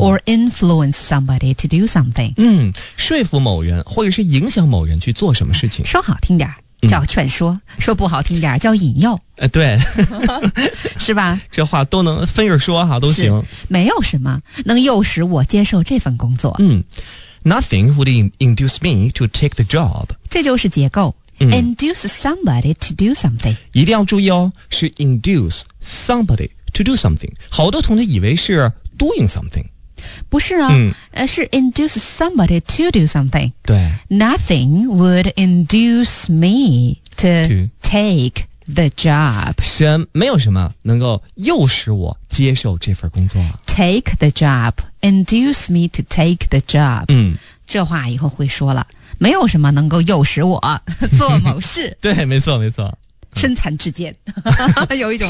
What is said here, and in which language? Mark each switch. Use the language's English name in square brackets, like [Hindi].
[English] or influence somebody to do something。 [Chinese] 嗯，说服某人或者是影响某人去做什么事情，说好听点叫劝说、嗯、说不好听点叫引诱、对是吧，这话都能分着说哈、啊、都行，没有什么能诱使我接受这份工作。 [English] 嗯， Nothing would induce me to take the job， [Chinese] 这就是结构、 [English] 嗯、induce somebody to do something， [Chinese] 一定要注意哦，是 [English] induce somebody to do something， [Chinese] 好多同学以为是 [English] doing something， [Chinese] 不是啊、嗯、是 [English] induce somebody to do something， [Chinese] 对， [English] Nothing would induce me to take the job， [Chinese] 没有什么能够诱使我接受这份工作、啊、 [English] Take the job， induce me to take the job、嗯、 [Chinese] 这话以后会说了，没有什么能够诱使我做某事对，没错没错，身残志坚，有一种